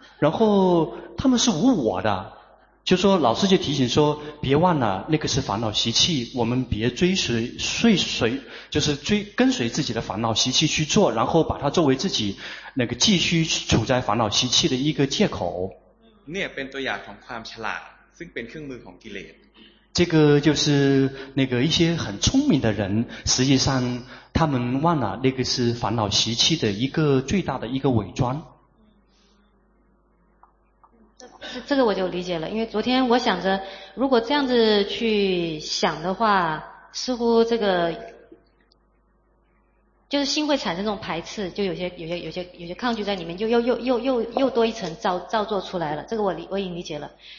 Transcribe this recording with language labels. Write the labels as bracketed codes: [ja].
[zh] 然后他们是无我的，就说老师就提醒说，别忘了那个是烦恼习气，我们别跟随自己的烦恼习气去做，然后把它作为自己那个继续处在烦恼习气的一个借口。那也变作亚同 [th] ความฉลาด，ซึ่งเป็นเครื่องมือของกิเลส。 [zh] 这个就是那个一些很聪明的人，实际上他们忘了那个是烦恼习气的一个最大的一个伪装。这个我就理解了，因为昨天我想着如果这样子去想的话，似乎这个就是心会产生这种排斥，就有些抗拒在里面，就又多一层造作出来了。这个我已经理解了。